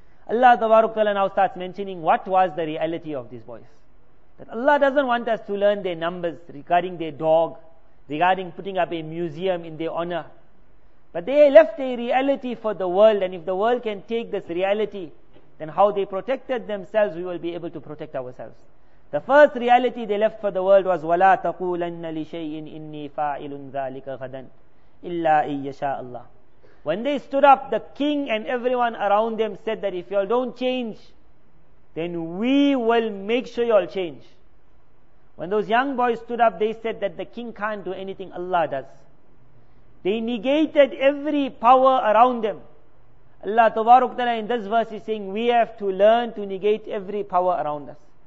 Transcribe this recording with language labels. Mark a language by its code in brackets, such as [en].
[en] Allah Tabaruk Ta'ala now starts mentioning what was the reality of these boys. That Allah doesn't want us to learn their numbers regarding their dog, regarding putting up a museum in their honor. But they left a reality for the world, and if the world can take this reality, then how they protected themselves, we will be able to protect ourselves. The first reality they left for the world was [ar] وَلَا تَقُولَنَّ لِشَيْءٍ إِنِّي فَاعِلٌ ذَلِكَ غَدًا إِلَّا إِن يَشَاءَ اللَّهِ. [en] When they stood up, the king and everyone around them said that if y'all don't change, then we will make sure y'all change. When those young boys stood up, they said that the king can't do anything, Allah does. They negated every power around them. Allah Tabaruk Ta'ala in this verse is saying, we have to learn to negate every power around us.